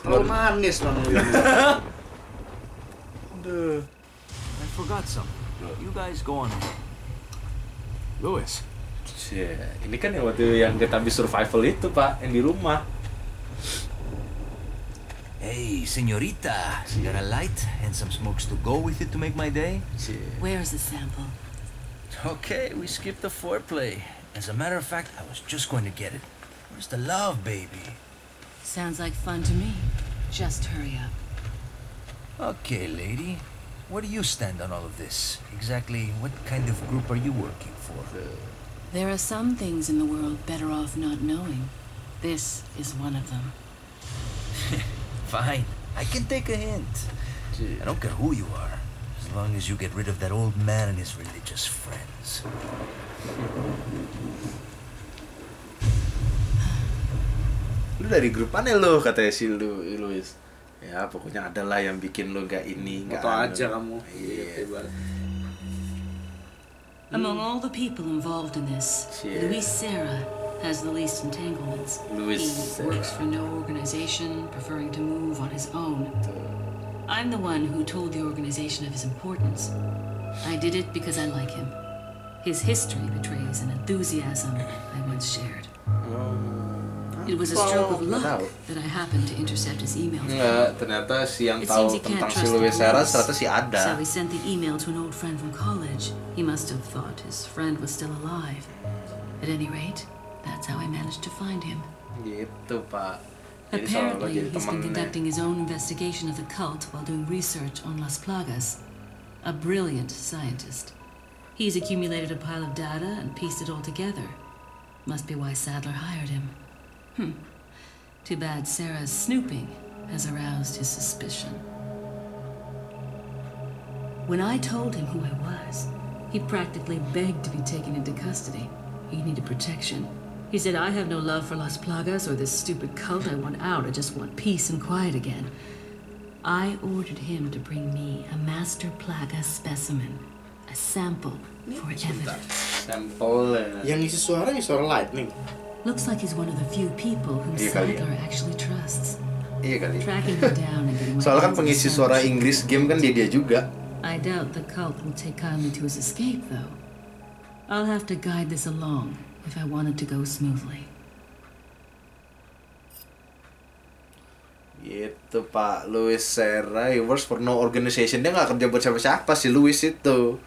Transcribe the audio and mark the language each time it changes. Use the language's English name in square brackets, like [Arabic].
[Indonesian] Lu manis, non Leon. Aduh. [English] I forgot something. You guys go on. Louis. Yeah. [Indonesian] Ini kan yang waktu yang kita habis survival itu, Pak, yang di rumah. [Spanish] Hey, señorita, si. [English] Got a light and some smokes to go with it to make my day? [Spanish] Si. [English] Where is the sample? Okay, we skipped the foreplay. As a matter of fact, I was just going to get it. Where's the love, baby? Sounds like fun to me. Just hurry up. Okay, lady. Where do you stand on all of this? Exactly what kind of group are you working for? There are some things in the world better off not knowing. This is one of them. Fine. I can take a hint. Gee. I don't care who you are, as long as you get rid of that old man and his religious friends. [Indonesian] Lu dari grup mana lo, katanya si Louis? Ya, pokoknya adalah yang bikin lo gak ini, gak apa aja kamu. [English] Among all the people involved in this, yeah. Luis Serra has the least entanglements. Luis he Serra. Works for no organization, preferring to move on his own. I'm the one who told the organization of his importance. I did it because I like him. His history betrays an enthusiasm I once shared. It was a stroke of luck that I happened to intercept his emails. [Indonesian] Enggak, ternyata si yang tahu tentang si Luis Serra ternyata si Ada. [English] So he sent the email to an old friend from college. He must have thought his friend was still alive. At any rate, that's how I managed to find him. [Indonesian] Gitu, Pak. [English] Apparently, he's been conducting his own investigation of the cult while doing research on Las Plagas. A brilliant scientist. He's accumulated a pile of data and pieced it all together. Must be why Sadler hired him. Too bad Sarah's snooping has aroused his suspicion. When I told him who I was, he practically begged to be taken into custody. He needed protection. He said, I have no love for Las Plagas or this stupid cult. I want out. I just want peace and quiet again. I ordered him to bring me a Master Plaga specimen, a sample for evidence. Sample. [Indonesian] Yang isi suara ini suara lightning. [English] Looks like he's one of the few people whom Sadler actually trusts. [Indonesian] Iya kali. [English] Tracking him down and getting. [Indonesian] Soalnya kan pengisi suara Inggris game kan dia juga. [English] I doubt the cult will take kindly to his escape, though. I'll have to guide this along if I want it to go smoothly. [Indonesian] Gitu, Pak. Louis Serra, [English] he works for no organization. [Indonesian] Dia nggak kerja buat siapa-siapa sih, Louis itu.